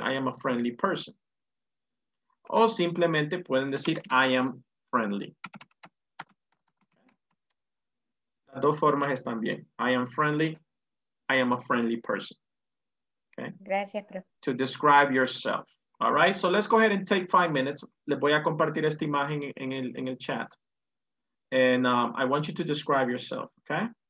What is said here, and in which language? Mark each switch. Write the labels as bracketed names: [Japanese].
[English] I am a friendly person. [Spanish] O simplemente pueden decir [English] I am friendly. [Spanish] Las dos formas están bien. [English] I am friendly. I am a friendly person. Okay. [Spanish] Gracias, bro. [English] To describe yourself. All right, so let's go ahead and take 5 minutes. [Spanish] Les voy a compartir esta imagen en el chat. [English] And I want you to describe yourself, okay?